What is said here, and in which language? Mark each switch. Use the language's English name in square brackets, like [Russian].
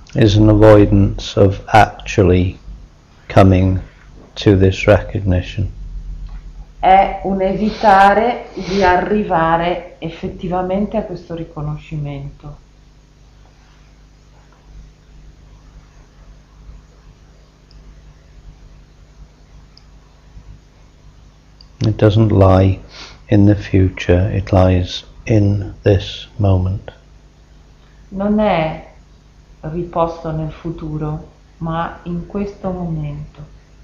[English] Is an avoidance of actually coming to this recognition. [Italian] È un evitare di arrivare effettivamente a questo riconoscimento. [English] It doesn't lie in the future, it lies in this moment. [Italian] Non è riposto nel futuro, ma in questo momento.